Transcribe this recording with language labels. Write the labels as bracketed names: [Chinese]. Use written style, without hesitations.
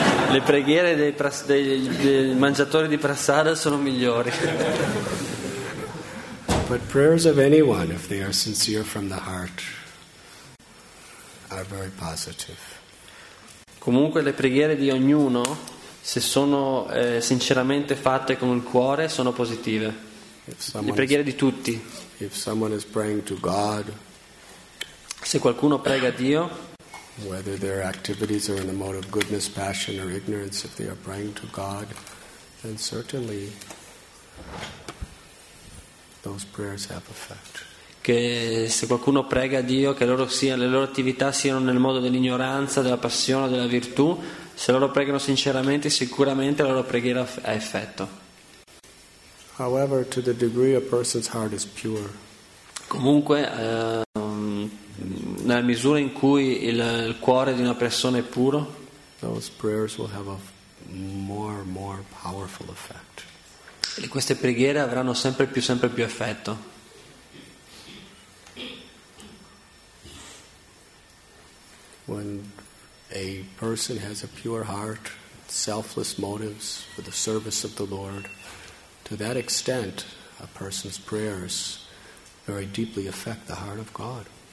[Italian] Le preghiere dei mangiatori di prasada sono migliori. [English] But prayers of anyone, if they are sincere from the heart, are very positive. [Italian] Comunque le preghiere di ognuno, se sono sinceramente fatte con il cuore, sono positive. Le preghiere di tutti. [English] If someone is praying to God, [Italian] se qualcuno prega a Dio, [English] whether their activities are in the mode of goodness, passion or ignorance, if they are praying to God, then certainly those prayers have effect. [Italian] Che se qualcuno prega a Dio, che le loro attività siano nel modo dell'ignoranza, della passione, della virtù, se loro pregano sinceramente, sicuramente la loro preghiera ha effetto. [English] However, to the degree a person's heart is pure, [Italian] comunque nella misura in cui il cuore di una persona è puro, [English] those prayers will have a more powerful effect. [Italian] Queste preghiere avranno sempre più effetto. [English] When a person has a pure heart, selfless motives for the service of the Lord, to that extent, a person's prayers very deeply affect the heart of God.